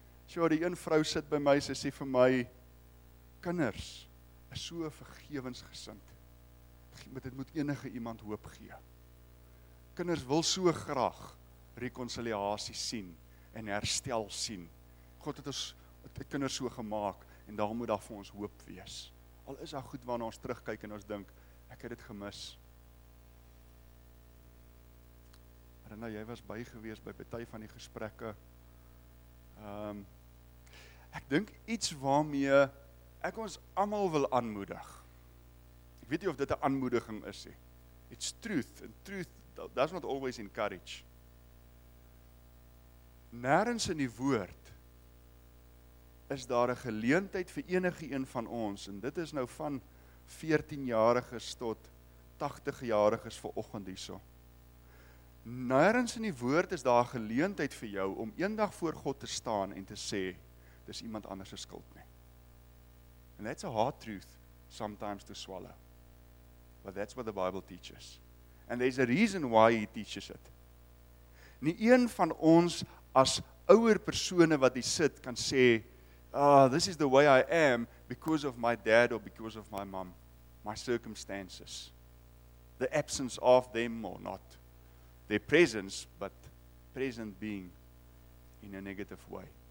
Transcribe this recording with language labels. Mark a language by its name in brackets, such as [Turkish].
[Afrikaans] So die een vrou sit by my, sy sê vir my, kinders is so vergewensgesind, dit moet enige iemand hoop gee. kinders wil so graag reconciliatie sien en herstel sien. God het ons die kinders so gemaak en daar moet daar vir ons hoop wees. Al is daar goed waarna ons terugkyk en ons dink, ek het dit gemis. Rina, jy was by gewees by party van die gesprekke. Ek dink iets waarmee ek ons allemaal wil aanmoedig. Ek weet nie of dit 'n aanmoediging is nie. [English] It's truth, and truth does not always encourage. [Afrikaans] Nêrens in die woord is daar 'n geleentheid vir enige een van ons, en dit is nou van 14-jariges tot 80-jariges vir oggend hierso. Nêrens in die woord is daar 'n geleentheid vir jou om eendag voor God te staan en te sê, dis iemand anders se skuld nie. [English] And that's a hard truth sometimes to swallow. But that's what the Bible teaches. And there's a reason why he teaches it. [Afrikaans] Nie een van ons as ouer persone wat hier sit kan sê, [English] this is the way I am because of my dad or because of my mom, my circumstances, the absence of them or not, their presence, but present being in a negative way.